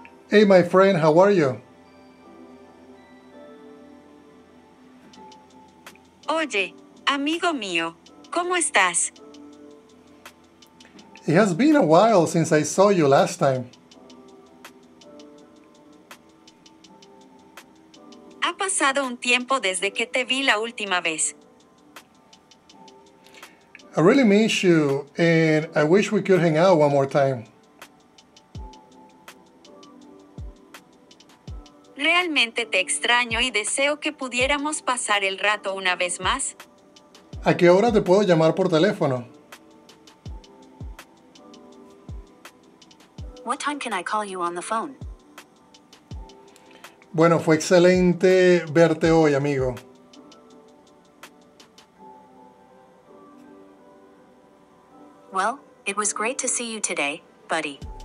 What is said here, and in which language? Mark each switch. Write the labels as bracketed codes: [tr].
[en] Hey, my friend, how are you? [es] Oye, amigo mío, ¿cómo estás? [en] It has been a while since I saw you last time. [es] Ha pasado un tiempo desde que te vi la última vez. [en] I really miss you, and I wish we could hang out one more time. [es] Realmente te extraño y deseo que pudiéramos pasar el rato una vez más. ¿A qué hora te puedo llamar por teléfono? [en] What time can I call you on the phone? [es] Bueno, fue excelente verte hoy, amigo. [en] Well, it was great to see you today, buddy.